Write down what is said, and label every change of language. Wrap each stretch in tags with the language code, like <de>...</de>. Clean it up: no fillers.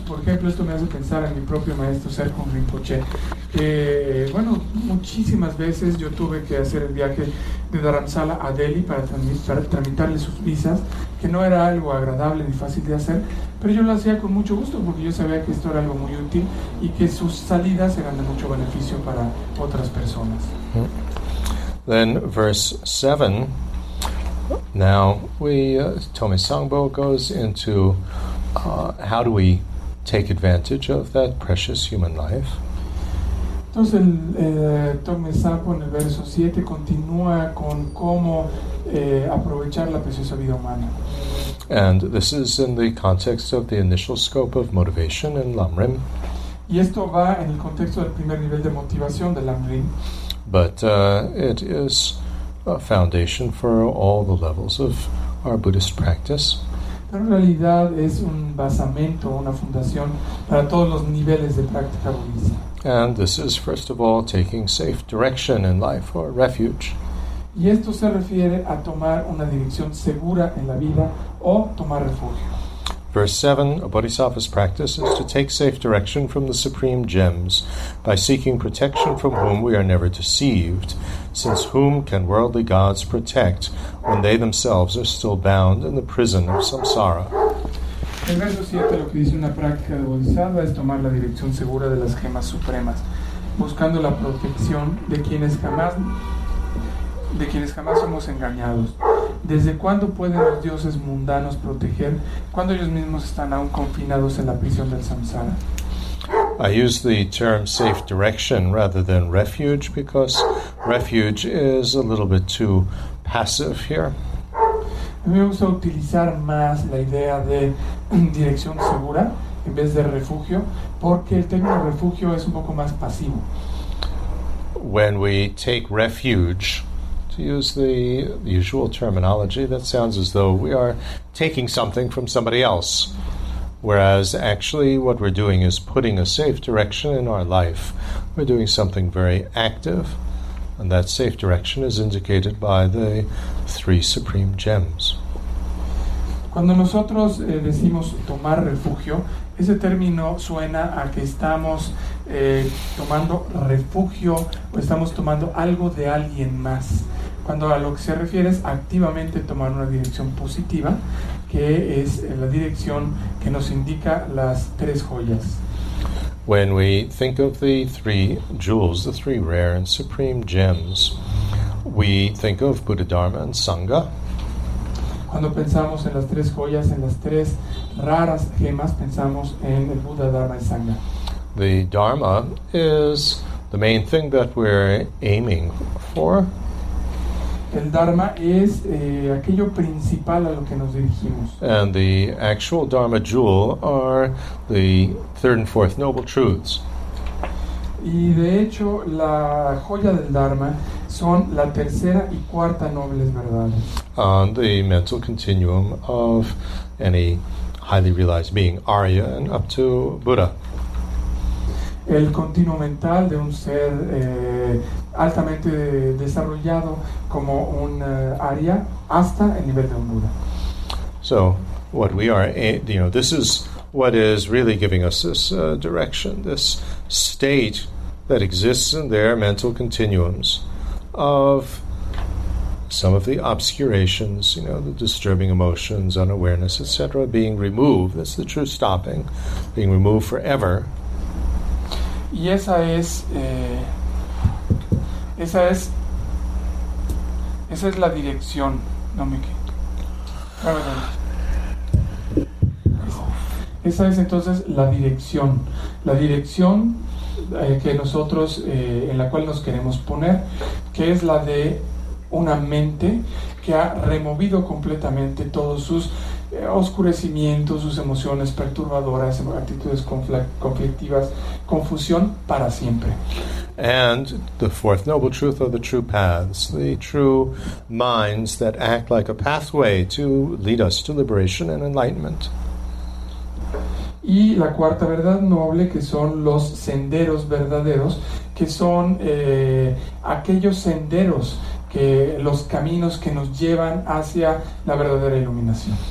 <es>Por ejemplo, esto me hace pensar en mi propio maestro Sirkun Rinpoche, que, bueno, muchísimas veces yo tuve que hacer el viaje de Dharamsala a Delhi para tramitarle sus visas, que no era algo agradable ni fácil de hacer, pero yo lo hacía con mucho gusto porque yo sabía que esto era algo muy útil y que sus salidas eran de mucho beneficio para otras personas.</es> <en>Then verse 7. Now we Tome Sangbo goes into how do we take advantage of that precious human life.</en> <es>Entonces el Tome Sangbo en el verso 7 continúa con cómo aprovechar la preciosa vida humana.</es> <en>And this is in the context of the initial scope of motivation in Lamrim.</en> <es>Y esto va en el contexto del primer nivel de motivación de Lamrim.</es> <en>But it is a foundation for all the levels of our Buddhist practice.</en> <es>Pero en realidad es un basamento, una fundación para todos los niveles de práctica budista.</es> <en>And this is, first of all, taking safe direction in life or refuge.</en> <es>Y esto se refiere a tomar una dirección segura en la vida o tomar refugio.</es> <en>Verse 7, a bodhisattva's practice is to take safe direction from the supreme gems by seeking protection from whom we are never deceived, since whom can worldly gods protect when they themselves are still bound in the prison of samsara?</en> <es>En verso 7 lo que dice una práctica de bodhisattva es tomar la dirección segura de las gemas supremas, buscando la protección de quienes jamás somos engañados. ¿Desde cuándo pueden los dioses mundanos proteger cuando ellos mismos están aún confinados en la prisión del samsara?</es> <en>I use the term safe direction rather than refuge because refuge is a little bit too passive here.</en> <es>A mí me gusta utilizar más la idea de dirección segura en vez de refugio porque el término refugio es un poco más pasivo.</es> <en>When we take refuge, to use the usual terminology, that sounds as though we are taking something from somebody else, whereas actually what we're doing is putting a safe direction in our life. We're doing something very active, and that safe direction is indicated by the three supreme gems.</en> <es>Cuando nosotros decimos tomar refugio, ese término suena a que estamos tomando refugio o estamos tomando algo de alguien más. Cuando a lo que se refiere es activamente tomar una dirección positiva, que es la dirección que nos indica las tres joyas.</es> <en>When we think of the three jewels, the three rare and supreme gems, we think of Buddha, Dharma and Sangha.</en> <es>Cuando pensamos en las tres joyas, en las tres raras gemas, pensamos en el Buddha, Dharma y Sangha.</es> <en>The Dharma is the main thing that we're aiming for.</en> <es>El Dharma es aquello principal a lo que nos dirigimos.</es> <en>And the actual Dharma jewel are the third and fourth noble truths.</en> <es>Y de hecho, la joya del Dharma son la tercera y cuarta nobles verdades.</es> <en>On the mental continuum of any highly realized being, Arya, and up to Buddha.</en> <es>El continuo mental de un ser altamente desarrollado como un Arya hasta el nivel de un Buddha.</es> <en>So, what we are, you know, this is what is really giving us this direction, this state that exists in their mental continuums of some of the obscurations, you know, the disturbing emotions, unawareness, etc., being removed. That's the true stopping, being removed forever.</en> <es>Y esa es la dirección, no me quedo. Esa es entonces la dirección que nosotros en la cual nos queremos poner, que es la de una mente que ha removido completamente todos sus oscurecimientos, sus emociones perturbadoras, actitudes conflictivas, confusión para siempre.</es> <en>And the fourth noble truth are the true paths, the true minds that act like a pathway to lead us to liberation and enlightenment.</en> <es>Y la cuarta verdad noble, que son los senderos verdaderos, que son aquellos senderos, que los caminos que nos llevan hacia la verdadera iluminación.</es>